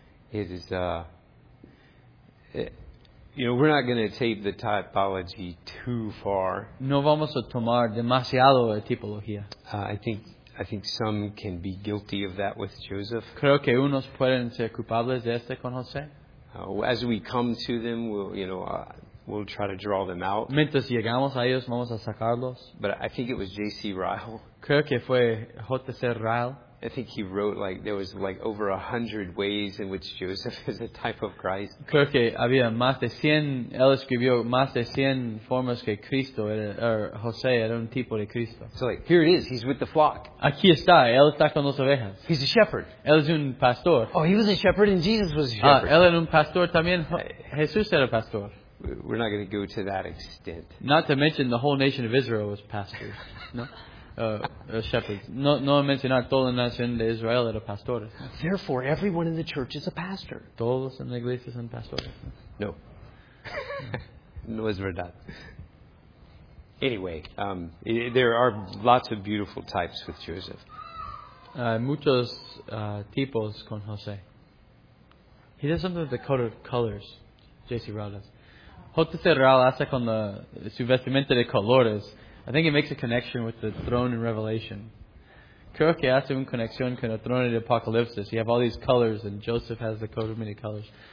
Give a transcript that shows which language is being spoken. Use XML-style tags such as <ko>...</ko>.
<en>It is, we're not going to take the typology too far.</en> <es>No vamos a tomar demasiado la tipología.</es> <en>I think some can be guilty of that with Joseph.</en> <es>Creo que unos pueden ser culpables de este con José.</es> <en>As we come to them, we'll try to draw them out.</en> <es>Mientras llegamos a ellos, vamos a sacarlos.</es> <en>But I think it was J.C. Ryle.</en> <es>Creo que fue J.C. Ryle.</es> <en>I think he wrote like there was like over 100 ways in which Joseph is a type of Christ.</en> <es>Creo que había más de 100. Él escribió más de 100 formas que Cristo era, or José era un tipo de Cristo.</es> <en>So like here it is. He's with the flock.</en> <es>Aquí está. Él está con las ovejas.</es> <en>He's a shepherd.</en> <es>Él es un pastor.</es> <en>Oh, he was a shepherd, and Jesus was a shepherd.</en> <es>Él era un pastor también. Jesús era pastor.</es> <en>We're not going to go to that extent. Not to mention the whole nation of Israel was pastors. No. Shepherds.</en> <es>No mencionar toda la nación de Israel era pastores.</es> <en>Therefore, everyone in the church is a pastor.</en> <es>Todos en la iglesia son pastores. No. No es verdad.</es> <en>Anyway, there are lots of beautiful types with Joseph.</en> <es>Muchos tipos con José.</es> <en>He does something with the coat of colors, J.C. Ryle does. J.C. Ryle</en> <es>hace con su vestimenta de colores.</es> <en>I think it makes a connection with the throne in Revelation.</en> <es>Creo que hace una conexión con el trono de Apocalipsis.</es> <en>You have all these colors, and Joseph has the coat of many colors.</en>